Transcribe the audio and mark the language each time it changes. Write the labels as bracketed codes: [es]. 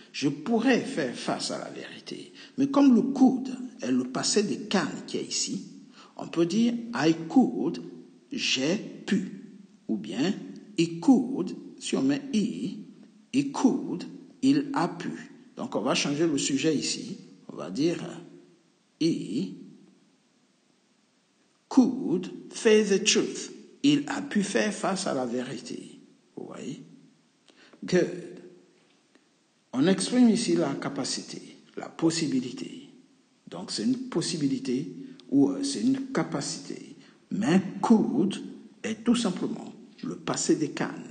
[fr] Je pourrais faire face à la vérité. Mais comme le could est le passé de can qui est ici, on peut dire [en] I could, [fr] j'ai pu. Ou bien, [en] he could, [fr] si on met he could, il a pu. Donc, on va changer le sujet ici. On va dire [en] he could face the truth. [fr] Il a pu faire face à la vérité. Vous voyez? [en] Good. [fr] On exprime ici la capacité, la possibilité. Donc, c'est une possibilité ou c'est une capacité. Mais could est tout simplement le passé de can.